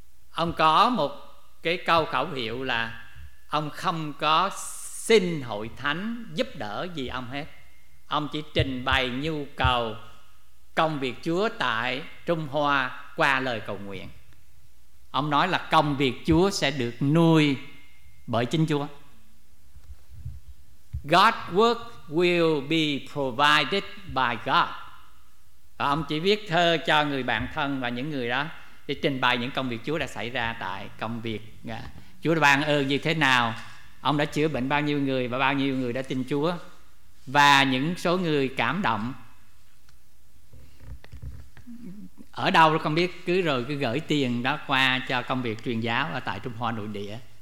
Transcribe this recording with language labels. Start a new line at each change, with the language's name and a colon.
Vietnamese: Ông có một cái câu khẩu hiệu là ông không có xin hội thánh giúp đỡ gì ông hết. Ông chỉ trình bày nhu cầu công việc Chúa tại Trung Hoa qua lời cầu nguyện. Ông nói là công việc Chúa sẽ được nuôi bởi chính Chúa.
English: God's work will be provided by God.
Vietnamese: Và ông chỉ viết thơ cho người bạn thân và những người đó để trình bày những công việc Chúa đã xảy ra tại công việc. Chúa đã ban ơn như thế nào, ông đã chữa bệnh bao nhiêu người và bao nhiêu người đã tin Chúa, và những số người cảm động ở đâu đó không biết, cứ rồi cứ gửi tiền đó qua cho công việc truyền giáo ở tại Trung Hoa nội địa.